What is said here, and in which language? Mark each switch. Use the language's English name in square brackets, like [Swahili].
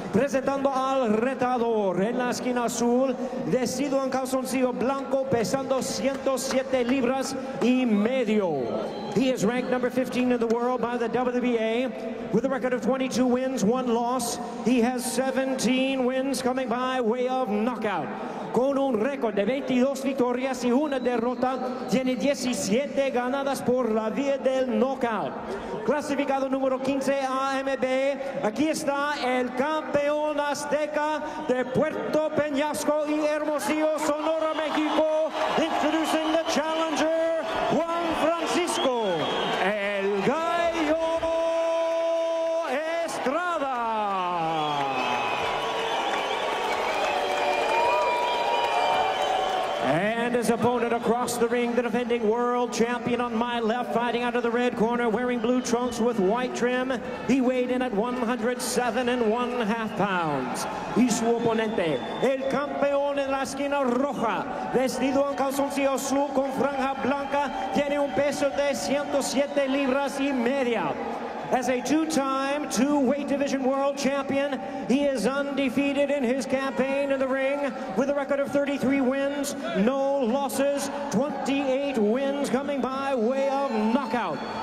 [Spanish] Presentando al retador en la esquina azul, vestido en calzoncillo blanco, pesando 107 libras y medio. [English] He is ranked number 15 in the world by the WBA with a record of 22 wins, one loss. He has 17 wins coming by way of knockout. [Spanish] Con un récord de 22 victorias y una derrota, tiene 17 ganadas por la vía del knockout. Clasificado número 15 AMB, aquí está el campeón azteca de Puerto Peñasco y Hermosillo, Sonora, México. [English] Introducing the challenger, Juan Francisco, el gallo Estrada. And his opponent across the ring, the defending world champion on my left, fighting out of the red corner, wearing blue trunks with white trim. He weighed in at 107.5 pounds. [Spanish] Y su oponente, el campeón en la esquina roja, vestido en calzoncillo azul con franja blanca, tiene un peso de 107 libras y media. [English] As a two-time, two-weight division world champion, he is undefeated in his campaign in the ring with a record of 33 wins, no losses, 28 wins coming by way of knockout.